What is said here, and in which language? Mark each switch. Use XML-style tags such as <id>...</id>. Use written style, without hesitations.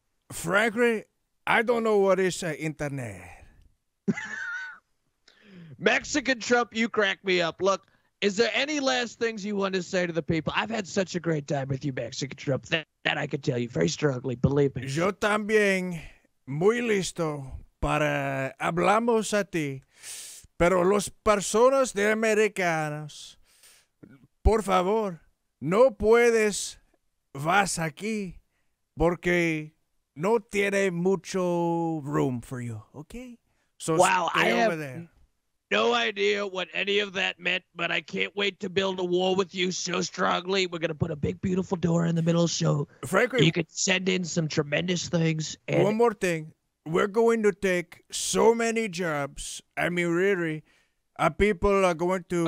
<en>Frankly, I don't know what is internet. Mexican Trump, you crack me up. Look, is there any last things you want to say to the people? I've had such a great time with you, Mexican Trump. That I could tell you very strongly, believe me.</en> <es>Yo también muy listo para hablamos a ti. Pero los personas de Americanos, por favor, no puedes vas aquí porque no tiene mucho</es> <en>room for you, okay? So wow, stay over have there. No idea what any of that meant, but I can't wait to build a wall with you so strongly. We're going to put a big, beautiful door in the middle so frankly, you can send in some tremendous things. And one more thing. We're going to take so many jobs. I mean, really, people are going to.</en>